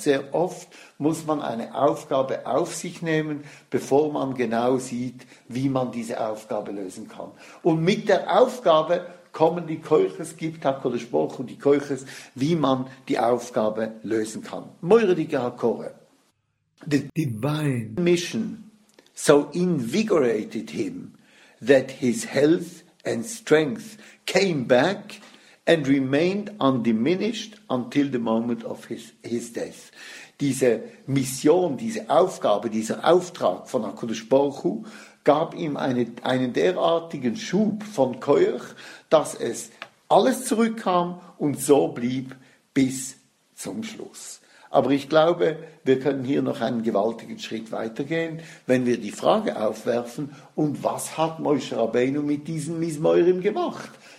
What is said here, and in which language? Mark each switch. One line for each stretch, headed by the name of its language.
German: Sehr oft muss man eine Aufgabe auf sich nehmen, bevor man genau sieht, wie man diese Aufgabe lösen kann. Und mit der Aufgabe kommen die Keuches, gibt HaKadosh Baruch Hu die Keuches, wie man die Aufgabe lösen kann. Meuridike HaKore.
English: The divine mission so invigorated him that his health and strength came back and remained undiminished until the moment of his death.
German: Diese Mission, diese Aufgabe, dieser Auftrag von HaKadosh Baruch Hu gab ihm einen derartigen Schub von Keuch, dass es alles zurückkam und so blieb bis zum Schluss. Aber ich glaube, wir können hier noch einen gewaltigen Schritt weitergehen, wenn wir die Frage aufwerfen, und was hat Moshe Rabbeinu mit diesen Mismäurim gemacht?